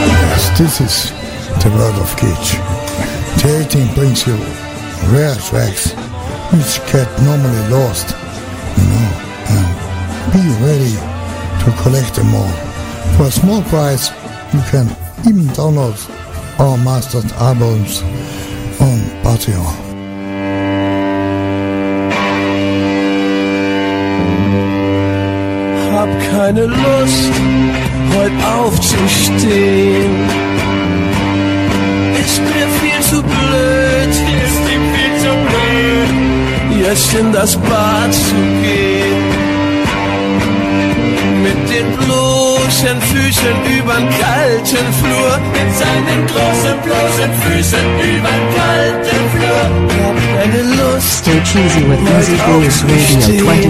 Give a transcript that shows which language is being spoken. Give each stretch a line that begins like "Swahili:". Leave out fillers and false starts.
English: Yes, this is the world of Kitsch. 13 principal rare tracks which get normally lost, you know, and be ready to collect them all. For a small price, you can even download our master's albums on Patreon.
German: Hab keine Lust, heute aufzustehen. Ist mir viel zu blöd, ist ihm viel zu blöd, jetzt in das Bad zu gehen. Mit den bloßen Füßen übern kalten Flur, mit seinen großen bloßen Füßen übern kalten Flur. Keine Lust,
English: stay cheesy with Easy Blues Radio 24/7.